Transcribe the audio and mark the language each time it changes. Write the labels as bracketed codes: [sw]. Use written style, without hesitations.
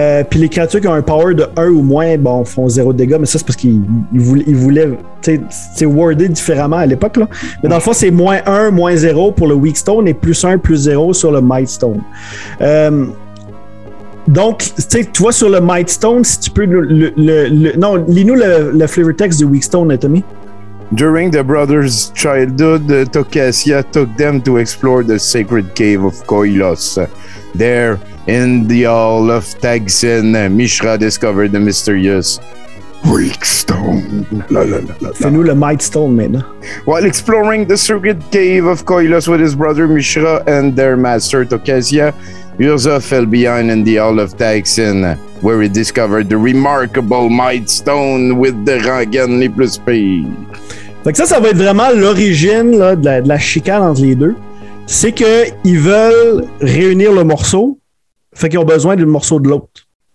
[fr] Puis les créatures qui ont un power de 1 ou moins, bon, font 0 dégâts, mais ça, c'est parce qu'ils voulaient, tu sais, c'est wordé différemment à l'époque, là. Mais dans le fond, c'est moins 1, moins 0 pour le Weak Stone et plus 1, plus 0 sur le Might Stone. Donc, tu sais, tu vois, sur le Might Stone, si tu peux. Lis-nous le flavor text du Weak Stone, Tommy. [en] During the brothers' childhood, Tocasia took them to explore the sacred cave of Koilos. There, in the Hall of Tagsin, Mishra discovered the mysterious Weak Stone. [fr] Fais-nous le Might Stone maintenant. [en] While exploring the sacred cave of Koilos with his brother Mishra and their master Tocasia, Urza fell behind in the Hall of Tagsin, where he discovered the remarkable Might Stone with the Rangan [fr] les plus pires. Fait que ça va être vraiment l'origine là, de la chicane entre les deux. C'est qu'ils veulent réunir le morceau, fait qu'ils ont besoin d'un morceau de l'autre.